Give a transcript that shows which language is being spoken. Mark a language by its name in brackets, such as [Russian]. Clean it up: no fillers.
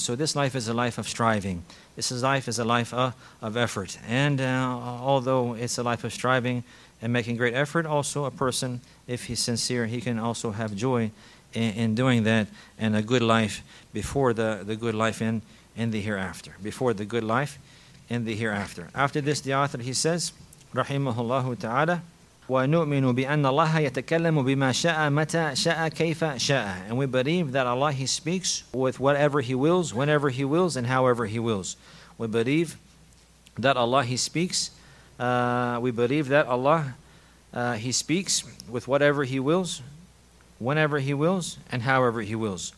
[English] So this life is a life of striving. This life is a life of effort. And although it's a life of striving and making great effort, also a person, if he's sincere, he can also have joy in doing that, and a good life before the good life in the hereafter. Before the good life in the hereafter. After this, the author, he says, [Arabic] رَحِمَهُ تَعَالَى, وَنُؤْمِنُ بِأَنَّ اللَّهَ يَتَكَلَّمُ بِمَا شَاءَ مَتَى شَاءَ كَيْفَ شَاءَ. [English] And we believe that Allah, he speaks with whatever he wills, whenever he wills, and however he wills. We believe that Allah, he speaks. We believe that Allah, he speaks with whatever he wills, whenever he wills, and however he wills.